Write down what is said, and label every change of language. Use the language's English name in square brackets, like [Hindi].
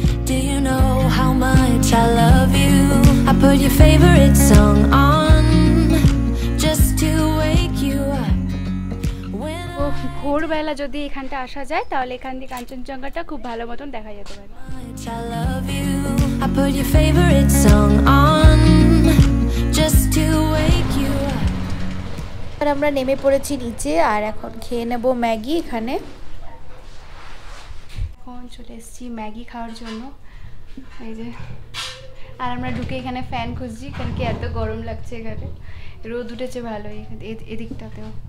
[English] Do you know how much I love you? I put your favorite song on just to wake you up. [Bangla] Oh, ভোর বেলা যদি এখানটা আসা যায় তাহলে এখান দিয়ে কাঞ্চনজঙ্ঘাটা খুব ভালো মতন দেখা যেতে পারে। [English] I love you. I put your favorite song on just to wake you up. [Bangla] আর আমরা নেমে পড়েছি নিচে, আর এখন খেয়ে নেব ম্যাগি এখানে। চলে এসেছি ম্যাগি খাওয়ার জন্য। এই যে, আর আমরা ঢুকে এখানে ফ্যান খুঁজছি, কারণ কি এত গরম লাগছে এখানে, রোদ উঠেছে ভালো এদিকটাতেও।